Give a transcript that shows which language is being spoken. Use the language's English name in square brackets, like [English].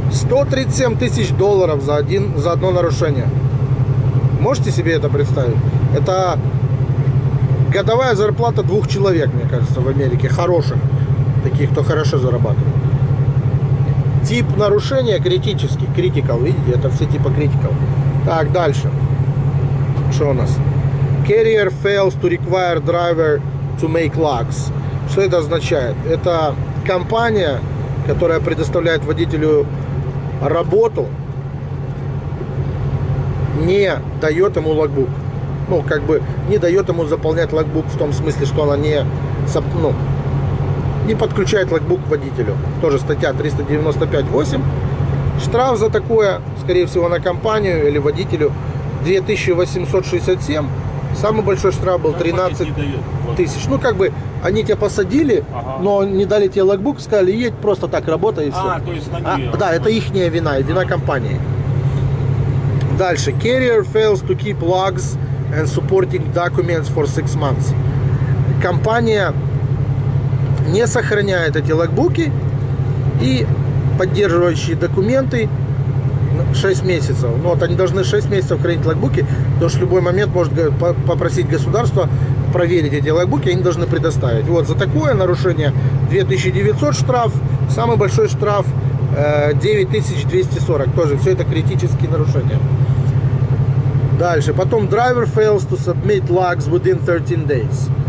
[Russian] $137 тысяч за одно нарушение. Можете себе это представить? Это годовая зарплата двух человек, мне кажется, в Америке, хороших, таких, кто хорошо зарабатывает. Тип нарушения критический, critical, видите, это все типа critical. Так, дальше. Что у нас? [English] Carrier fails to require driver to make lugs. [Russian] Что это означает? Это компания, которая предоставляет водителю работу, не дает ему логбук. Ну, как бы, не дает ему заполнять логбук в том смысле, что она не, ну, не подключает логбук к водителю. Тоже статья 395.8. Штраф за такое, скорее всего, на компанию или водителю 2867. Самый большой штраф был 13 тысяч. Ну, как бы, они тебя посадили, ага, но не дали тебе логбук, сказали, едь просто так, работай и все. А, то есть на нее. Да, это ихняя вина, вина компании. Дальше. [English] Carrier fails to keep logs and supporting documents for 6 months. [Russian] Компания не сохраняет эти логбуки и поддерживающие документы 6 месяцев. Ну вот они должны 6 месяцев хранить логбуки, потому что в любой момент может попросить государство проверить эти логбуки, они должны предоставить. Вот за такое нарушение 2900 штраф, самый большой штраф 9240. Тоже все это критические нарушения. Дальше. [English] Потом driver fails to submit logs within 13 days.